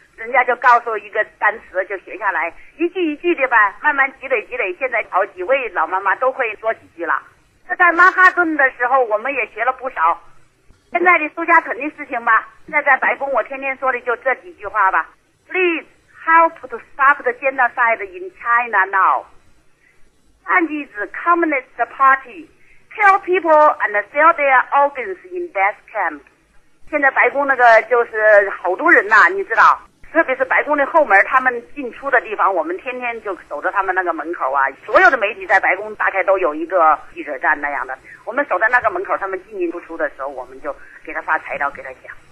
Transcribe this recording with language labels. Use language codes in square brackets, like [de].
[zh] 人家就告诉一个单词，就学下来，一句一句的吧，慢慢积累积累。现在好几位老妈妈都会说几句了。在曼哈顿的时候，我们也学了不少。现在的苏家屯的事情吧，现在在白宫我天天说的就这几句话吧。 [en] Please help to stop the genocide in China now. And is Communist Party kill people and sell their organs in death camp. [zh] 现在白宫那个就是好多人呐、你知道，特别是白宫的后门，他们进出的地方，我们天天就守着他们那个门口啊。所有的媒体在白宫大概都有一个记者站那样的，我们守在那个门口，他们进进出出的时候，我们就给他发材料给他讲。